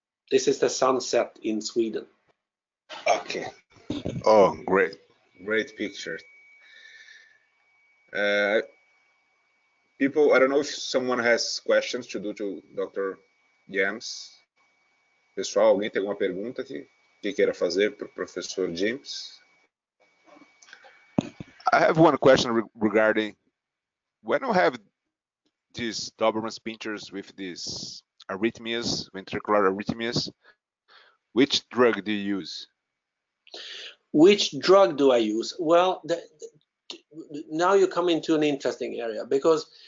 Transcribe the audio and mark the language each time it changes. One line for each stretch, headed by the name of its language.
English: This is the sunset in Sweden. Okay. Oh, great. Great picture. People, I don't know if someone has questions to do to Dr. James.
Portuguese: Pessoal, alguém tem alguma pergunta que queira fazer para o professor James?
English: I have one question regarding when we have these Dobermann Pinschers with these arrhythmias, ventricular arrhythmias, which drug do you use? Which drug do I use? Well, now you come into an interesting area, because